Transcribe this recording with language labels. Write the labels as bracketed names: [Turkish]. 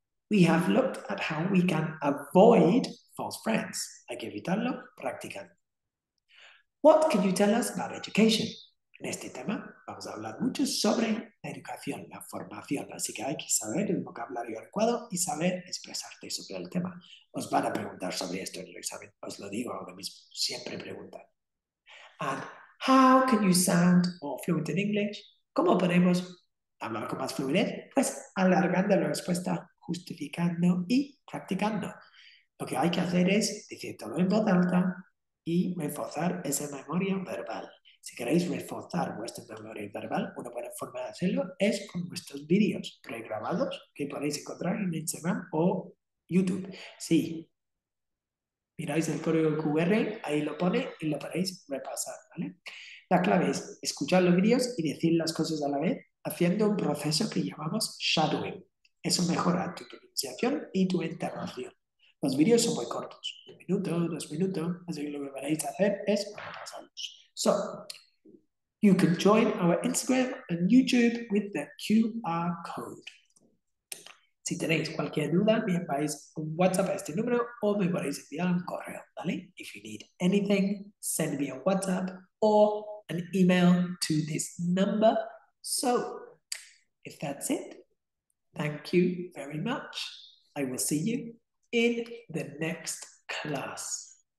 [English] We have looked at how we can avoid false friends. [Spanish] Hay que evitarlo practicando. [English] What can you tell us about education? [Spanish] En este tema vamos a hablar mucho sobre la educación, la formación. Así que hay que saber el vocabulario adecuado y saber expresarte sobre el tema. Os van a preguntar sobre esto en el examen. Os lo digo ahora mismo. Siempre preguntan. [English] And how can you sound more fluent in English? [Spanish] ¿Cómo podemos hablar con más fluidez? Pues alargando la respuesta, justificando y practicando. Lo que hay que hacer es decir todo en voz alta y reforzar esa memoria verbal. Si queréis reforzar vuestra memoria verbal, una buena forma de hacerlo es con vuestros vídeos pregrabados que podéis encontrar en Instagram o YouTube. Sí. Miráis el código QR, ahí lo pone y lo podéis repasar, ¿vale? La clave es escuchar los vídeos y decir las cosas a la vez, haciendo un proceso que llamamos shadowing. Eso mejora tu pronunciación y tu entonación. Los vídeos son muy cortos, 1 minuto, 2 minutos, así que lo que podéis hacer es repasarlos. [English] So, you can join our Instagram and YouTube with the QR code. [Spanish] Si tenéis cualquier duda, me enviáis un WhatsApp a este número o me podéis enviar un correo, ¿vale? [English] If you need anything, send me a WhatsApp or an email to this number. So, if that's it, thank you very much. I will see you in the next class.